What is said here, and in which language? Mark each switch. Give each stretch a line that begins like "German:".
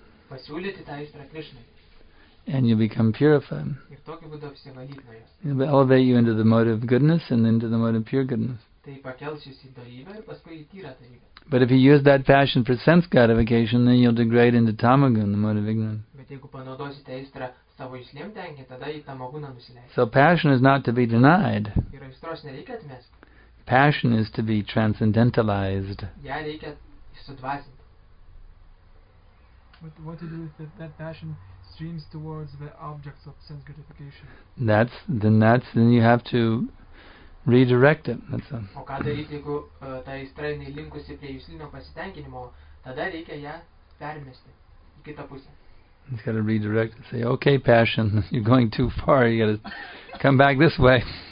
Lithuanian: Pasiūlyti tą aistrą Krishnai.
English: And you become purified.
Lithuanian: Ir tokiu būdu apsivalyti nuo jos.
English: It will elevate you into the mode of goodness and into the mode of pure goodness.
Lithuanian: Tai pakels jus į dorybę ir paskui į tyrą dorybę.
English: But if you use that passion for sense gratification, then you'll degrade into tamagun, the mode of ignorance.
Lithuanian: Bet jeigu panaudosite aistrą savo išlėm tenkinti, tada į tamaguną nusileisite.
English: So passion is not to be denied.
Lithuanian: Ir aistros nereikia atmesti.
English: Passion is to be transcendentalized.
Lithuanian: Ją reikia sudvasinti.
English: What to do if that passion streams towards the objects of sense gratification? Then you have to redirect it. That's a.
Lithuanian: O ką daryti, jeigu ta aistra linkusi prie jūslinio pasitenkinimo, tada reikia ją permesti į kitą pusę.
English: He's got to redirect and say, okay, passion, you're going too far, you got to come back this way.